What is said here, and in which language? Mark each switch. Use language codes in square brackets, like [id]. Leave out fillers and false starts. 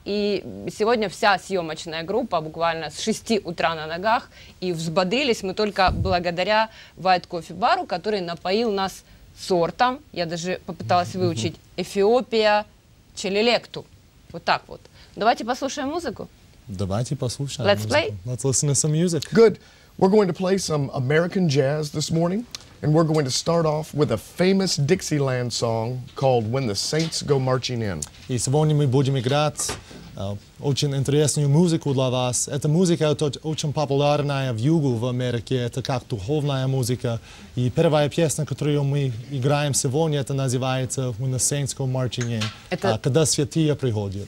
[ru] И сегодня вся съемочная группа буквально с 6 утра на ногах. И взбодрились мы только благодаря White Coffee Bar, который напоил нас сортом. Я даже попыталась выучить Эфиопия челелекту. Вот так вот. Давайте послушаем музыку. Давайте послушаем. [en] Let's play. Let's listen to some music. Good. We're going to play some American jazz this morning, and we're going to start off with a famous Dixieland song called "When the Saints Go Marching In". [ru] И сегодня мы будем играть очень интересную музыку для вас. Эта музыка очень популярная в Югу в Америке. Это как духовная музыка. И первая песня, которую мы играем сегодня, это называется "When the Saints Go Marching In". Это когда святые приходят.